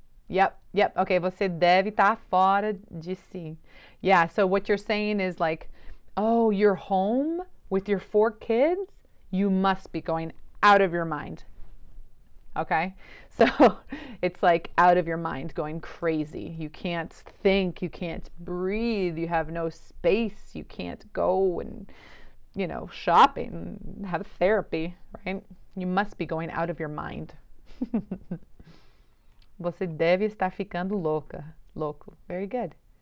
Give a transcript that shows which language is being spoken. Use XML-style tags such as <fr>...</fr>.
<pt>Yep, yep, okay, você deve estar fora de si.</pt> <en>Yeah, so what you're saying is like, oh, you're home with your four kids? You must be going out of your mind. Okay? So it's like out of your mind, going crazy. You can't think, you can't breathe, you have no space, you can't go and, you know, shopping, have therapy, right? You must be going out of your mind.</en> <pt>Você deve estar ficando louca. Louco.</pt> <en>Very good.</en>